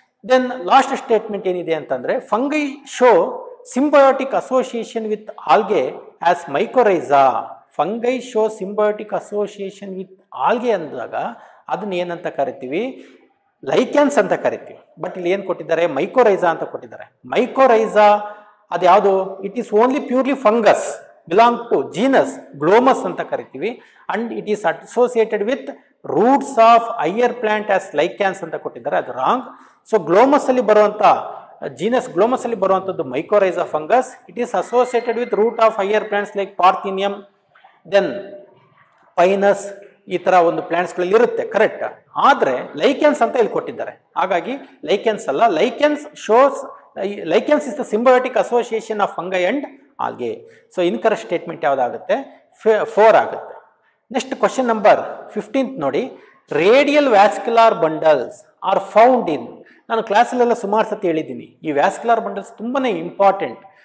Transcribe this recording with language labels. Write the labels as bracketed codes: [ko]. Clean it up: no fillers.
[en] then last statement [kn] ಏನಿದೆ ಅಂತಂದರೆ, [en] Fungi show symbiotic association with algae as mycorrhiza. Fungi show symbiotic association with algae [kn] ಅಂದಾಗ ಅದನ್ನ ಏನಂತ ಕರಿತೀವಿ, ಲೈಕ್ಯಾನ್ಸ್ ಅಂತ ಕರಿತೀವಿ. ಬಟ್ ಇಲ್ಲಿ ಏನು ಕೊಟ್ಟಿದ್ದಾರೆ, ಮೈಕೋರೈಸಾ ಅಂತ ಕೊಟ್ಟಿದ್ದಾರೆ. ಮೈಕೋರೈಸಾ ಅದು ಯಾವುದು, [en] it is only purely fungus, belong to genus glomus [kn] anta karithivi [en] and it is associated with roots of higher plant as lichens [kn] anta kottidare adu [en] wrong. So glomus [kn] alli baruvanta genus glomus alli baruvantadu [en] mycorrhiza fungus, it is associated with root of higher plants like parthenium, then pinus, [kn] ಈ ತರ ಒಂದು plants ಗಳಲ್ಲಿ ಇರುತ್ತೆ correct. ಆದ್ರೆ lichens ಅಂತ ಇಲ್ಲಿ ಕೊಟ್ಟಿದ್ದಾರೆ, ಹಾಗಾಗಿ ಲೈಕೆನ್ಸ್ ಅಲ್ಲ. [en] Lichens shows lichens is the symbiotic association of fungi and algae. So incorrect statement [kn] ಯಾವ್ದಾಗುತ್ತೆ? [en] 4 [kn] ಆಗುತ್ತೆ. [en] next question number 15 [kn] ನೋಡಿ. [en] radial vascular bundles are found in, [kn] ನಾನು ಕ್ಲಾಸಲ್ಲೆಲ್ಲ ಸುಮಾರು ಸತಿ ಹೇಳಿದ್ದೀನಿ ಈ ವ್ಯಾಸ್ಕ್ಯುಲಾರ್ ಬಂಡಲ್ಸ್ ತುಂಬಾನೇ ಇಂಪಾರ್ಟೆಂಟ್.